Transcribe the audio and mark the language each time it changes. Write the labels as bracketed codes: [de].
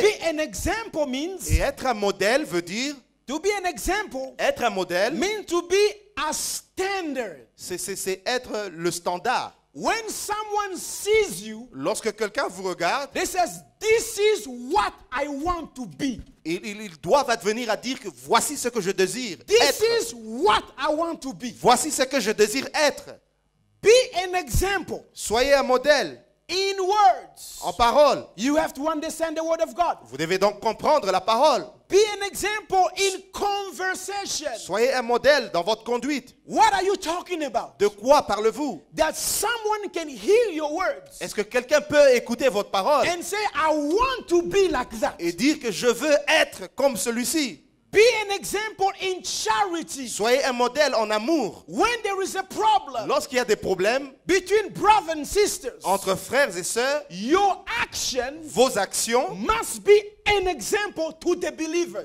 [en] To be an example means. [fr] Et être un modèle veut dire. [en] To be an example, [fr] être un modèle, [en] means to be a standard. [fr] C'est être le standard. [en] When someone sees you, [fr] lorsque quelqu'un vous regarde, [en] they says, "This is what I want to be." [fr] Ils doivent advenir à dire que voici ce que je désire [en] This [fr] être. [en] This is what I want to be. [fr] Voici ce que je désire être. [en] Be an example. [fr] Soyez un modèle. [en] In words. [fr] En parole. [en] You have to understand the word of God. [fr] Vous devez donc comprendre la parole. [en] Be an example in conversation. [fr] Soyez un modèle dans votre conduite. [en] What are you talking about? [fr] De quoi parlez-vous? [en] That someone can hear your words. [fr] Est-ce que quelqu'un peut écouter votre parole? [en] And say, I want to be like that. [fr] Et dire que je veux être comme celui-ci. [en] Be an example in charity. [fr] Soyez un modèle en amour. [en] When there is a problem, [fr] lorsqu'il y a des problèmes, [en] between brothers and sisters, [fr] entre frères et sœurs, [en] your actions, [fr] vos actions, [en] must be an example to the believers.